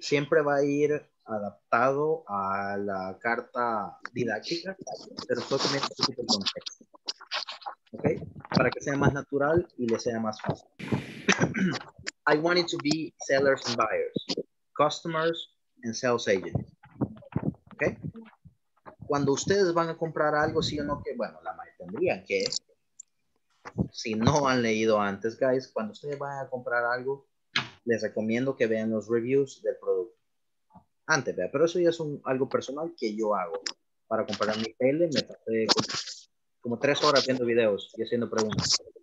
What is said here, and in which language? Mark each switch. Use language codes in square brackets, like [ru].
[es] Siempre va a ir adaptado a la carta didáctica, pero solo también un poquito el contexto. ¿Ok? Para que sea más natural y le sea más fácil. [en] I want it to be sellers and buyers, customers and sales agents. ¿Ok? [es] Cuando ustedes van a comprar algo, sí o no, que bueno, la mayoría tendrían que... Si no han leído antes, guys, cuando ustedes vayan a comprar algo, les recomiendo que vean los reviews del producto. Antes, ¿verdad? Pero eso ya es algo personal que yo hago. Para comprar mi tele, me pasé como 3 horas viendo videos y haciendo preguntas.